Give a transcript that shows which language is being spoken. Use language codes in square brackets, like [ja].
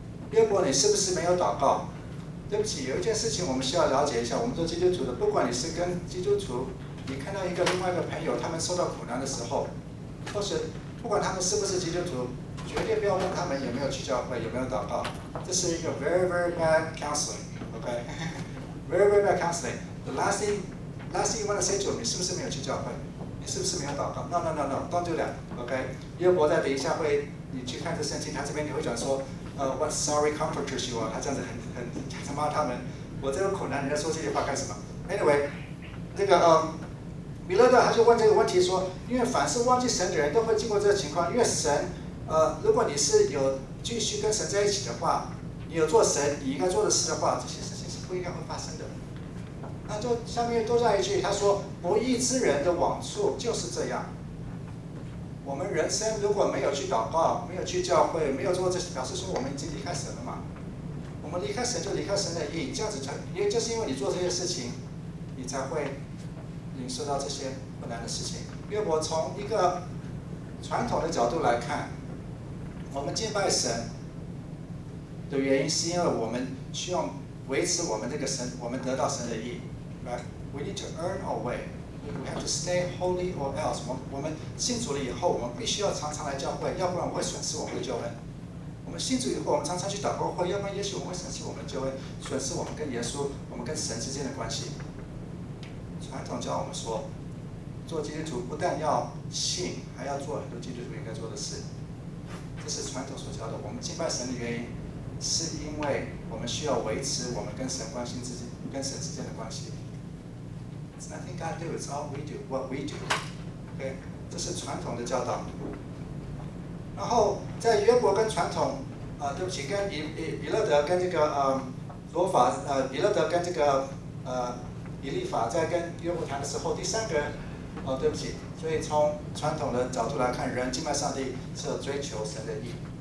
[zh] 约伯你是不是没有祷告？对不起，有一件事情我们需要了解一下，我们做基督徒的，不管你是跟基督徒，你看到一个另外一个朋友他们受到苦难的时候，或是不管他们是不是基督徒，绝对不要问他们有没有去教会，有没有祷告。这是一个 [en] very very bad counseling， OK， very very bad counseling。 The last thing you want to say to him， [zh] 你是不是没有去教会？你是不是没有祷告？ [en] No, don't do that， OK。 [zh] 约伯在等一下会你去看这圣经，他这边你会讲说 [en] what sorry comforters you are， [zh] 他这样子很他骂他们，我这个苦难你在说这些话干什么？ Anyway， 那个米勒德他就问这个问题说，因为凡是忘记神的人都会经过这个情况，因为神如果你是有继续跟神在一起的话，你有做神你应该做的事的话，这些事情是不应该会发生的。那就下面多加一句，他说不义之人的网速就是这样。我们人生如果没有去祷告，没有去教会，没有做这些，表示说我们已经离开神了嘛。我们离开神就离开神的义，这样子才，因为就是因为你做这些事情，你才会领受到这些困难的事情。约伯从一个传统的角度来看，我们敬拜神的原因是因为我们需要维持我们这个神，我们得到神的义。 [en] We need to earn our way. We have to stay holy or else. [zh] 我们信主了以后，我们必须要常常来教会，要不然我会损失我们的救恩。我们信主以后，我们常常去祷告会，要不然也许我们会损失我们的救恩，损失我们跟耶稣，我们跟神之间的关系。传统教我们说，做基督徒不但要信，还要做很多基督徒应该做的事。这是传统所教的。我们敬拜神的原因，是因为我们需要维持我们跟神关系之间、跟神之间的关系。 [en] It's nothing God do, it's all we do, what we do. [zh] OK， 这是传统的教导。然后在约伯跟传统，对不起，跟比勒德跟这个罗法，比勒德跟这个以利法在跟约伯谈的时候，第三个哦，对不起，所以从传统的角度来看，人敬拜上帝是要追求神的义。